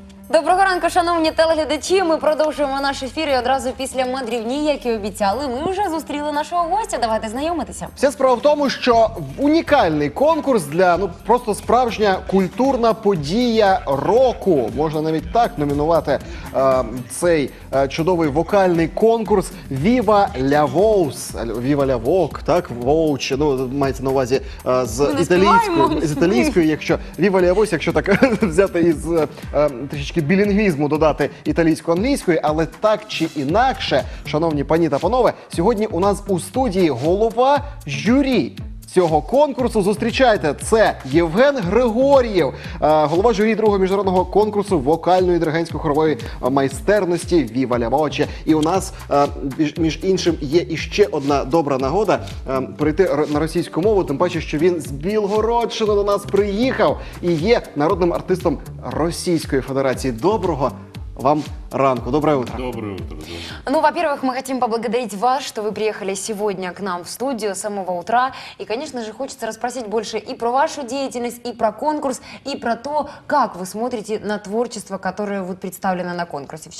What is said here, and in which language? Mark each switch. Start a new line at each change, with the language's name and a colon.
Ukrainian: Доброго ранку, шановні телеглядачі. Ми продовжуємо наш ефір і одразу після мандрівні, як і обіцяли, ми вже зустріли нашого гостя. Давайте знайомитися. Вся справа в тому, що унікальний конкурс для, ну, просто справжня культурна подія року. Можна навіть так номінувати цей чудовий вокальний конкурс «Viva la Voce». «Viva la Voce», так? «Voce», ну, мається на увазі з італійської, якщо «Viva la Voce», якщо так взяти із трішечки білінгвізму додати італійсько-англійської, але так чи інакше, шановні пані та панове, сьогодні у нас у студії голова журі цього конкурсу. Зустрічайте, це Євген Григорієв, голова журі другого міжнародного конкурсу вокальної диригентської хорової майстерності «Viva la Voce». І у нас, між іншим, є іще одна добра нагода прийти на російську мову, тим паче, що він з Білгородщини до нас приїхав і є народним артистом Російської Федерації. Доброго вам ранку,
Russian: доброе утро. Доброе утро. Ну, во-первых, мы хотим поблагодарить вас, что вы приехали сегодня к нам в студию с самого утра. И, конечно же, хочется расспросить больше и про вашу деятельность, и про конкурс, и про то, как вы смотрите на творчество, которое вот представлено на конкурсе.